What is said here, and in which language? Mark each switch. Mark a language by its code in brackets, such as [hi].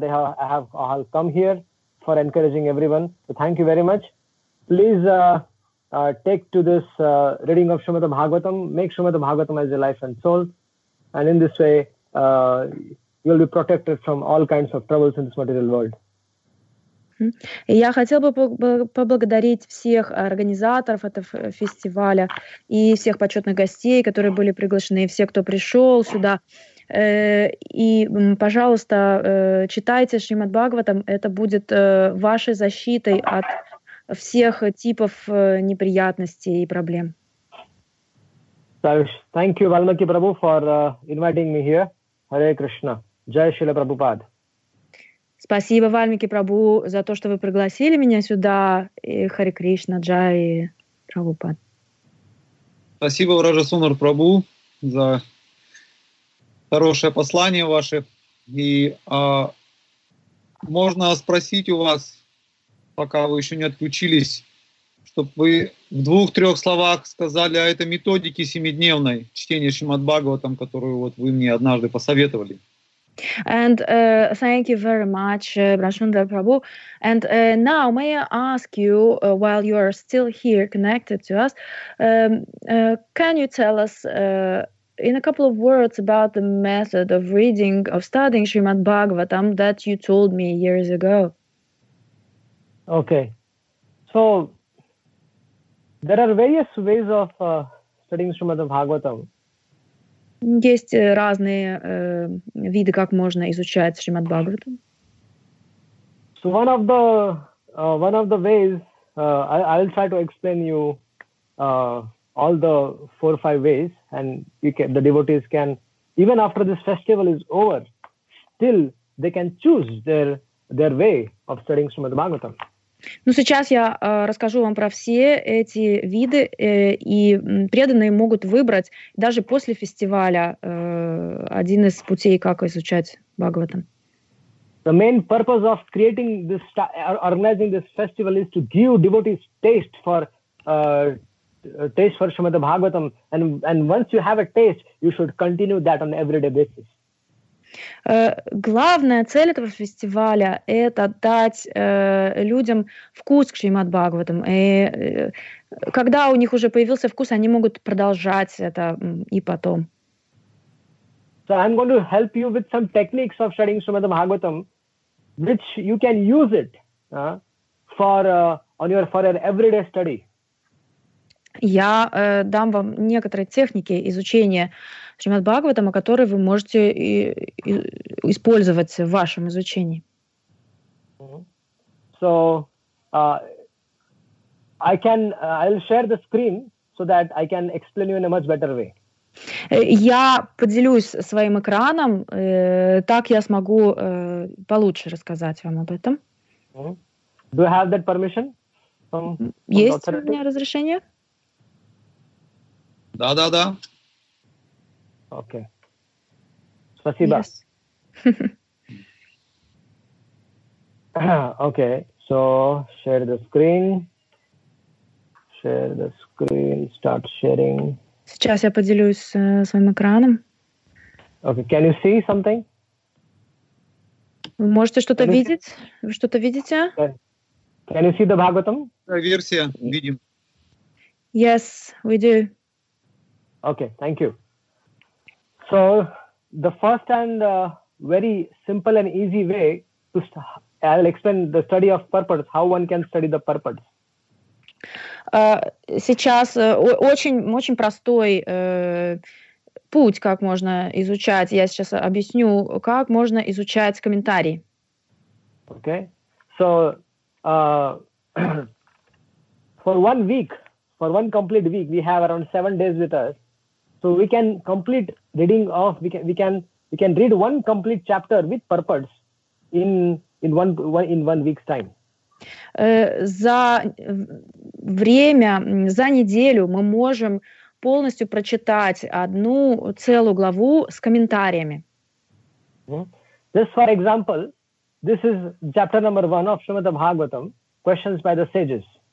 [en] They have all come here for encouraging everyone. So thank you very much. Please take to this reading of Shrimad Bhagavatam. Make Shrimad Bhagavatam as your life and soul. And in this way, you'll be protected from all kinds of troubles in this material world. [ru] Я хотел бы поблагодарить всех организаторов этого фестиваля и всех почетных гостей, которые были приглашены, и всех, кто пришел сюда. И, пожалуйста, читайте Шримад Бхагаватам. Это будет вашей защитой от всех типов неприятностей и проблем. [en] Thank you, Valmiki Prabhu, for inviting me here. Hare Krishna. Jai Shila Prabhupada. [ru] Спасибо, Вальмики Прабу, за то, что вы пригласили меня сюда. И Хари Кришна, Джай Прабхупад. Спасибо, Враджа Сундар Прабу, за хорошее послание ваше. И можно спросить у вас, пока вы еще не отключились, чтобы вы в двух-трех словах сказали о этой методике семидневной чтения Шримад Бхагаватам, которую вот вы мне однажды посоветовали. [en] And thank you very much, Brashundar Prabhu. And now, may I ask you, while you are still here connected to us, can you tell us in a couple of words about the method of reading, of studying Srimad Bhagavatam that you told me years ago? Okay. So, there are various ways of studying Srimad Bhagavatam. [ru] Есть разные виды, как можно изучать Шримад Бхагаватам. [en] So one of the ways, I'll try to explain you all the four or five ways, and you can, the devotees can, even after this festival is over, still they can choose their way of studying Шримад Бхагаватам. [ru] Ну, сейчас я расскажу вам про все эти виды, и преданные могут выбрать даже после фестиваля один из путей, как изучать Бхагаватам. [en] The main purpose of creating this, organizing this festival is to give devotees taste for Shrimad Bhagavatam, and once you have a taste, you should continue that on an everyday basis. [ru] Главная цель этого фестиваля – это дать людям вкус к Шримад Бхагаватам. И когда у них уже появился вкус, они могут продолжать это и потом. [en] So I'm going to help you with some techniques of studying Shrimad Bhagavatam, which you can use it for your everyday study. [ru] Я дам вам некоторые техники изучения Шримад Бхагаватам, которые вы можете использовать в вашем изучении. [en] So I can I'll share the screen so that I can explain you in a much better way. [ru] Я поделюсь своим экраном, так я смогу получше рассказать вам об этом. [en] Mm-hmm. Do you have that permission? [ru] Есть у меня разрешение? Да, да, да. Окей. Спасибо. [en] Окей. So, share the screen. Share the screen. Start sharing. [ru] Сейчас я поделюсь своим экраном. [en] Окей. Can you see something? [ru] Вы можете что-то видеть? Вы что-то видите? [en] Can you see the Bhagavatam? [ru] Версия. Видим. [en] Yes, we do. Okay, thank you. So, the first and very simple and easy way to I'll explain the study of purports, how one can study the purports. [ru] Сейчас очень простой путь, как можно изучать. Я сейчас объясню, как можно изучать комментарии. [en] Okay. So, for 1 week, for one complete week, we have around 7 days with us. So we can complete reading of we can read one complete chapter with purports in one week's time. [ru] За время за неделю мы можем полностью прочитать одну целую главу с комментариями. [en] Just for example, this is chapter number 1 of Srimad Bhagavatam, questions by the sages.